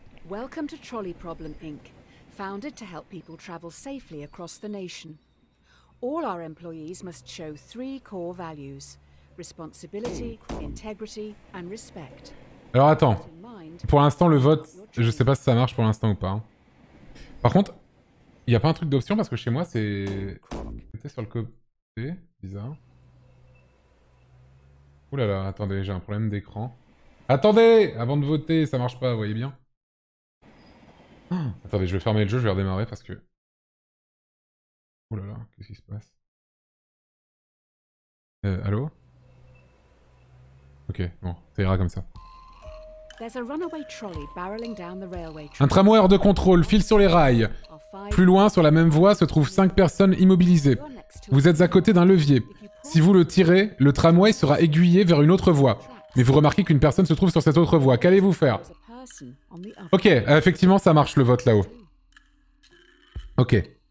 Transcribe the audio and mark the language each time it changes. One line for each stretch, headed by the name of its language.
English: Welcome to Trolley Problem Inc., founded to help people travel safely across the nation. All our employees must show 3 core values: responsibility, integrity and respect.
French: Alors attends. Pour l'instant, le vote, je sais pas si ça marche pour l'instant ou pas. Par contre, il n'y a pas un truc d'option parce que chez moi, c'est... C'était sur le côté, bizarre. Ouh là là, attendez, j'ai un problème d'écran. Attendez, avant de voter, ça marche pas, vous voyez bien. Oh, attendez, je vais fermer le jeu, je vais redémarrer parce que... Ouh là là, qu'est-ce qui se passe? Allô? Ok, bon, ça ira comme ça.
English: There's a runaway trolley barreling down the railway
French: track. Un tramway hors de contrôle file sur les rails. Plus loin, sur la même voie, se trouvent 5 personnes immobilisées. Vous êtes à côté d'un levier. Si vous le tirez, le tramway sera aiguillé vers une autre voie. Mais vous remarquez qu'une personne se trouve sur cette autre voie. Qu'allez-vous faire? Ok, effectivement, ça marche le vote là-haut. Ok.